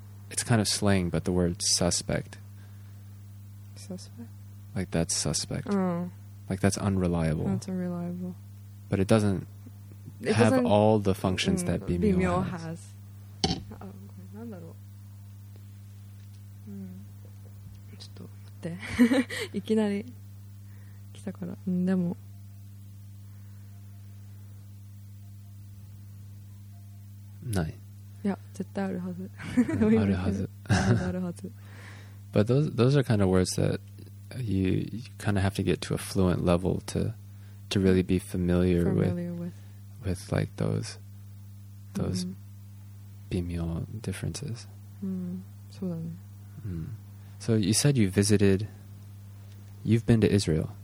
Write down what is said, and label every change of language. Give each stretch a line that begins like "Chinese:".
English: It's kind of slang, but the word suspect. Suspect? Like that's suspect. Oh. Like that's unreliable. That's unreliable. But it doesn't have all the functions that bimyo has.
Japanese: ちょっと待って。いきなり来たから。でも。ない。いや、絶対あるはず。あるはず。あるはず。
English: But those are kind of words that you kind of have to get to a fluent level to really be familiar with like those. those bimyo differences.
Japanese: そうだね。
English: So you said you visited, you've been to Israel.